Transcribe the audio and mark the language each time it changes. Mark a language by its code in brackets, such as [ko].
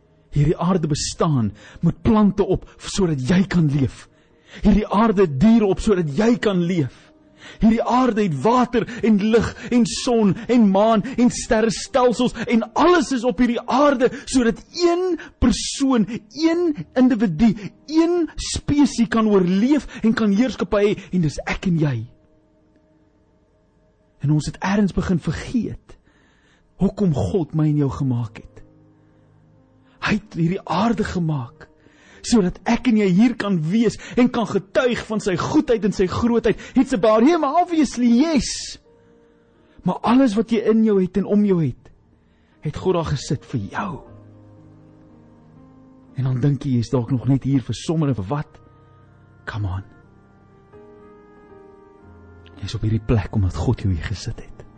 [af] Hierdie aarde bestaan met plante op sodat jy kan leef. Hierdie aarde diere op sodat jy kan leef. Hierdie aarde het water en lig en son en maan en sterrestelsels en alles is op hierdie aarde sodat een persoon, een individu, een spesie kan oorleef en kan heerskappy hê en dis ek en jy. En ons het ergens begin vergeet hoekom God my en jou gemaak het. Hy het hierdie aarde gemaak sodat ek en jy hier kan wees en kan getuig van sy goedheid en sy grootheid. [en] It's about him, obviously, yes. [af] Maar alles wat jy in jou het en om jou het, het God daar gesit vir jou. En dan dink jy is dalk nog net hier vir sommer en vir wat? [en] Come on. [af] Jy is op hierdie plek omdat God jou hier gesit het.